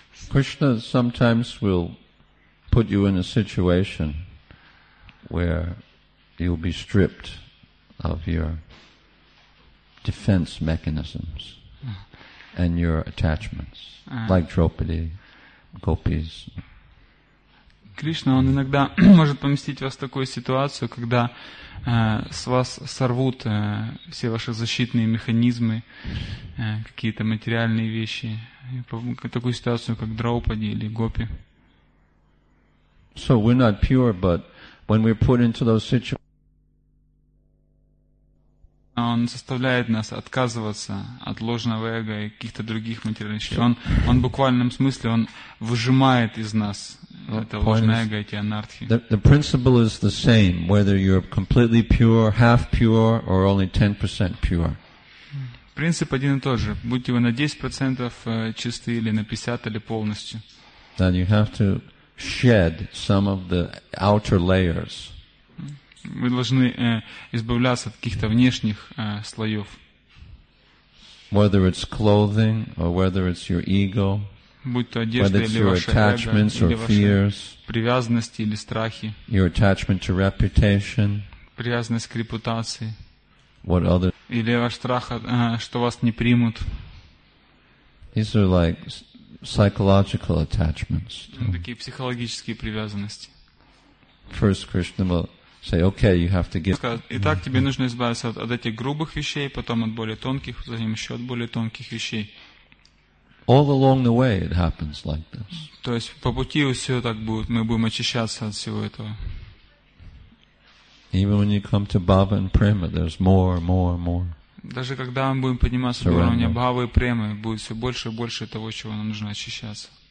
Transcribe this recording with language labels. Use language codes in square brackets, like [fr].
[en] Krishna sometimes will put you in a situation where you'll be stripped of your defense mechanisms and your attachments, like Draupadi, gopis. [ru] Krishna, он иногда может поместить вас в такую ситуацию, когда с вас сорвут все ваши защитные механизмы, какие-то материальные вещи, такую ситуацию, как Драупади или Гопи. [en] So we're not pure, but when we're put into those situations, [ru] он заставляет нас отказываться от ложного эго и каких-то других материальных вещей. Он в буквальном смысле он выжимает из нас. [en] The principle is the same, whether you're completely pure, half pure, or only 10% pure. [ru] Принцип один и тот же. Будьте вы на 10% чисты или на 50% или полностью. [en] Then you have to shed some of the outer layers. [ru] Вы должны избавляться от каких-то внешних слоев. [en] Whether it's clothing or whether it's your ego. [ru] Будь то одежда или ваши [en] attachments or fears, [ru] привязанности или страхи, [en] your attachment to reputation, [ru] привязанность к репутации, [en] what other, [ru] или ваш страх, что вас не примут. [en] These are like psychological attachments. [ru] Такие психологические привязанности. [en] First, Krishna will say, "Okay, you have to give." [ru] Итак, тебе нужно избавиться от этих грубых вещей, потом от более тонких, затем еще от более тонких вещей. [en] All along the way, it happens like this. [ru] То есть по пути все так будет. Мы будем очищаться от всего этого. [en] Even when you come to Bhava and Prema, there's more, more, more. [ru] Даже когда мы будем подниматься до уровня Бхавы и Премы, будет все больше и больше того, чего нам нужно очищаться.